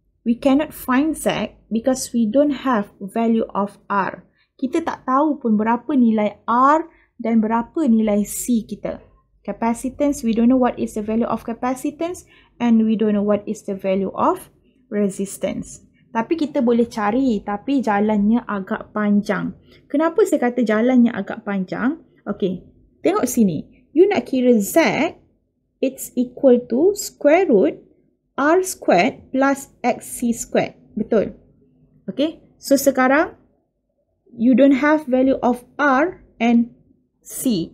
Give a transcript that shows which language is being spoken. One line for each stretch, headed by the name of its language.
English: We cannot find Z because we don't have value of R.
Malay: Kita tak tahu pun berapa nilai R dan berapa nilai C kita.
English: Capacitance, we don't know what is the value of capacitance and we don't know what is the value of resistance.
Malay: Tapi kita boleh cari, tapi jalannya agak panjang. Kenapa saya kata jalannya agak panjang? Okay, tengok sini.
English: You
Malay: nak kira
English: Z, it's equal to square root R squared plus XC squared. Betul. Okay, so sekarang you don't have value of R and C.